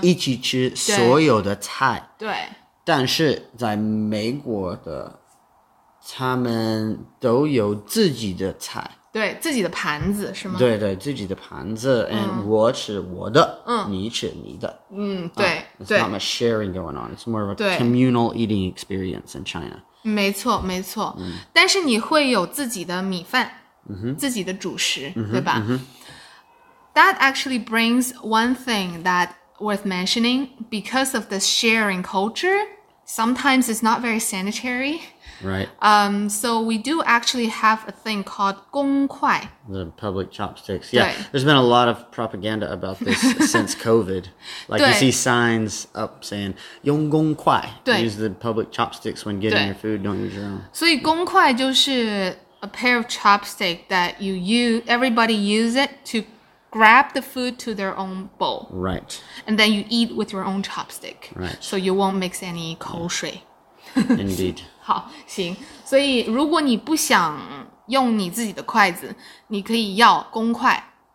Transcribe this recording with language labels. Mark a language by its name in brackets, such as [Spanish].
[Chinese] 一起吃所有的菜，对。但是在美国的，他们都有自己的菜。对自己的盘子是吗？对对，自己的盘子 ， [English] and [Chinese] 我吃我的，你吃你的，对。 [English] It's not much sharing going on. It's more of a communal eating experience in China. [Chinese] 没错，没错。但是你会有自己的米饭，自己的主食，对吧 ？ [English] That actually brings one thing that worth mentioning because of the sharing culture. Sometimes it's not very sanitary. Right. So we do actually have a thing called 公筷 The public chopsticks. Yeah. There's been a lot of propaganda about this since COVID. Like you see signs up saying [Chinese] 用公筷 [English] Use the public chopsticks when getting your food. Don't use your own. [Chinese] 所以公筷就是 [English] a pair of chopstick that everybody use it to grab the food to their own bowl. Right. And then you eat with your own chopstick. Right. So you won't mix any [Chinese] 口水、 [English] Indeed. [Chinese] 好，行。所以如果你不想用你自己的筷子，你可以要公筷。